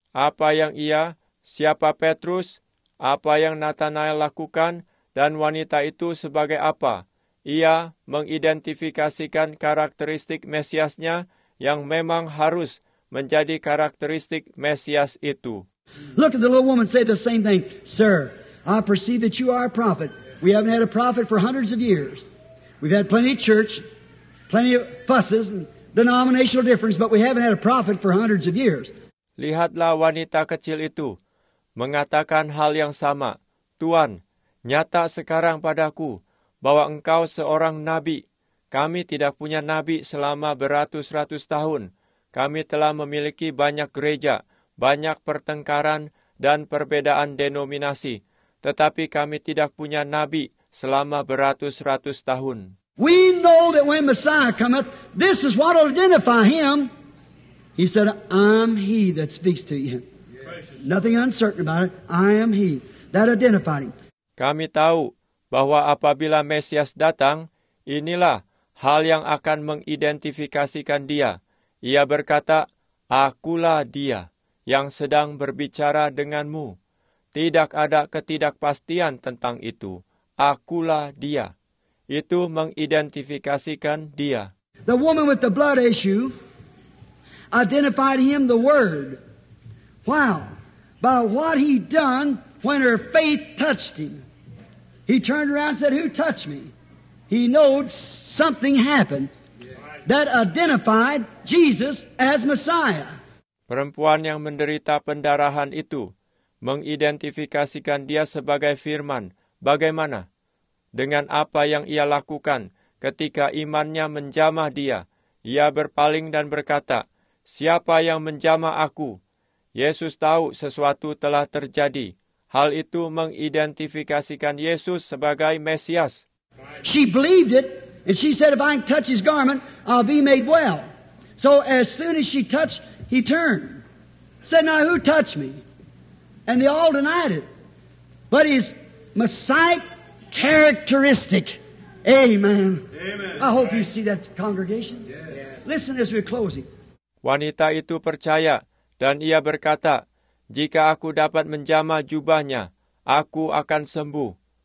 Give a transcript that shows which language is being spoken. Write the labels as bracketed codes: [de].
[id] Apa yang ia, siapa Petrus, apa yang Nathanael lakukan, dan wanita itu sebagai apa? Ia mengidentifikasikan karakteristik Mesiasnya yang memang harus menjadi karakteristik Mesias itu. [en] Look at the little woman say the same thing. Sir, I perceive that you are a prophet. We haven't had a prophet for hundreds of years. We've had plenty of church, plenty of fusses and denominational difference, but we haven't had a prophet for hundreds of years. [id] Lihatlah wanita kecil itu mengatakan hal yang sama. Tuan, nyata sekarang padaku bahwa engkau seorang nabi. Kami tidak punya nabi selama beratus-ratus tahun. Kami telah memiliki banyak gereja, banyak pertengkaran dan perbedaan denominasi, tetapi kami tidak punya nabi selama beratus-ratus tahun. [en] We know that when Messiah cometh, this is what will identify him. He said, I'm he that speaks to you. Nothing uncertain about it. I am he. That identified him. [id] Kami tahu bahwa apabila Mesias datang, inilah hal yang akan mengidentifikasikan dia. Ia berkata, akulah dia yang sedang berbicara denganmu. Tidak ada ketidakpastian tentang itu. Akulah dia. Itu mengidentifikasikan dia. [en] The woman with the blood issue identified him the word. Wow. By what he done when her faith touched him. He turned around and said, who touched me? He knowed something happened that identified Jesus as Messiah. [id] Perempuan yang menderita pendarahan itu mengidentifikasikan dia sebagai firman. Bagaimana? Dengan apa yang ia lakukan ketika imannya menjamah dia, ia berpaling dan berkata, siapa yang menjamah aku? Yesus tahu sesuatu telah terjadi. Hal itu mengidentifikasikan Yesus sebagai Mesias. [en] She believed it, and she said, if I can touch his garment, I'll be made well. So as soon as she touched, he turned. Said, now who touched me? And they all denied it. But his Messiah characteristic. Amen. Amen. I hope you see that congregation. Yes. Listen as we're closing. [id] Wanita itu percaya, dan ia berkata, jika aku dapat menjamah jubahnya, aku akan sembuh.